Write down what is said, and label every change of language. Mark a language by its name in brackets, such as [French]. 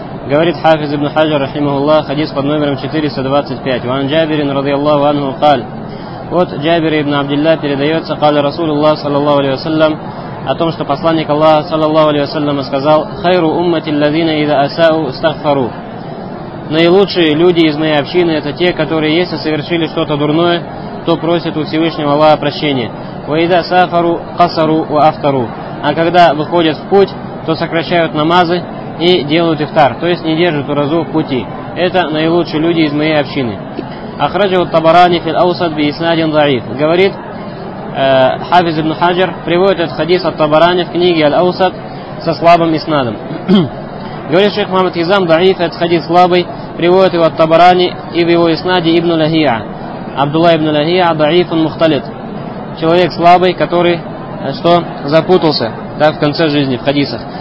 [Russian] Говорит حافظ ابن حجر [Arabic] رحمه الله حديث [Russian] под номером 425. [Arabic] وعن جابر رضي الله عنه قال. [Russian] Вот Джабир ибн Абдилла передается, [Arabic] قال رسول الله صلى الله عليه وسلم [Russian] о том, что посланник Аллаха [Arabic] صلى الله عليه وسلم [Russian] сказал: [Arabic] خير أمة الذين إذا أساءوا استغفروا. [Russian] Наилучшие люди из моей общины — это те, которые, если совершили что-то дурное, то просят у Всевышнего Аллаха прощения. [Arabic] وإذا سافروا قصروا وأفطروا. [Russian] А когда выходят в путь, то сокращают намазы и делают ифтар, то есть не держат уразу в пути. Это наилучшие люди из моей общины. [Arabic] أخرجه الطبراني في الأوسط بإسناد ضعيف. [Russian] Говорит حافظ ابن حجر, приводит этот хадис от Табарани в книге Аль-Аусат со слабым иснадом. Говорит шейх Мухаммад Хизам, [Arabic] ضعيف, [Russian] этот хадис слабый, приводит его от Табарани и в его иснаде ибн Лахия. Абдулла ибн Лахия [Arabic] ضعيف مختلط. [Russian] Человек слабый, который что запутался, да, в конце жизни в хадисах.